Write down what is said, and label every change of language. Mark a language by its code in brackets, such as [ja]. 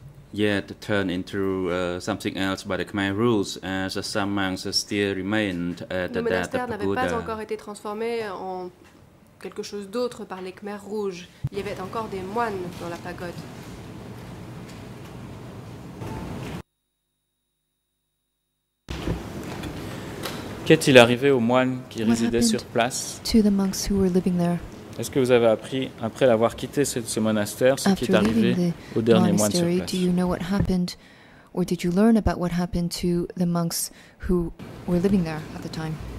[en] Yet turned into something else by the Khmer rules, as some monks still remained at the death of the Buddha. [fr] Le monastère n'avait pas encore été transformé en quelque chose d'autre par les Khmer rouges. Il y avait encore des moines dans la pagode. Qu'est-il arrivé aux moines qui résidaient sur place? [en] To the monks who were living there. [fr] Est-ce que vous avez appris, après l'avoir quitté ce monastère, ce qui est arrivé aux derniers moines sur place? [en] Do you know what happened, or did you learn about what happened to the monks who were living there at the time?